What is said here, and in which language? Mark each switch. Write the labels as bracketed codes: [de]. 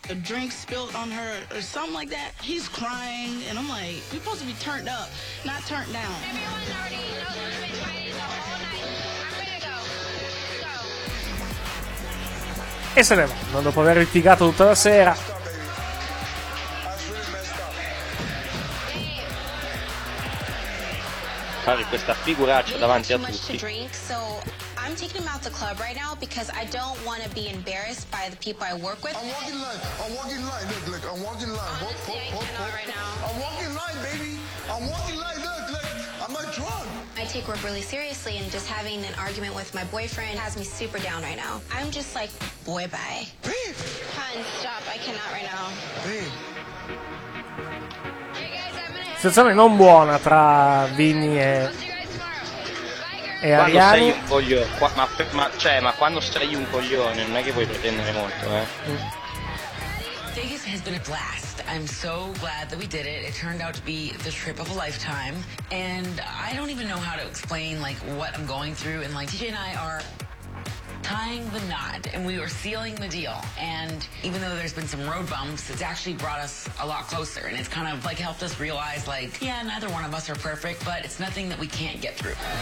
[en] A drink spilled on her or something like that. He's crying, and I'm like, you're supposed to be turned up, not turned down. Everyone already knows who's been crying the whole night. I'm gonna go. Go. [it] e se ne vanno dopo aver litigato tutta la sera. Fare questa figuraccia davanti a tutti. [en] I'm taking him out the club right now because I don't want to be embarrassed by the people I work with. I take work really seriously, and just having an argument with my boyfriend has me super down right now. I'm just like, boy, bye. Beep. Hun, stop. I cannot right now. [it] Beep. Situazione non buona tra Vinny e... E quando sei un coglione, ma quando sei un coglione non è che puoi pretendere molto, [en] Vegas has been a blast. I'm so glad that we did it. It turned out to be the trip of a lifetime, and I don't even know how to explain like what I'm going through. And like TJ and I are tying the knot, and we are sealing the deal. And even though there's been some road bumps, it's actually brought us a lot closer, and it's kind of like helped us realize like, yeah, neither one of us are perfect, but it's nothing that we can't get through.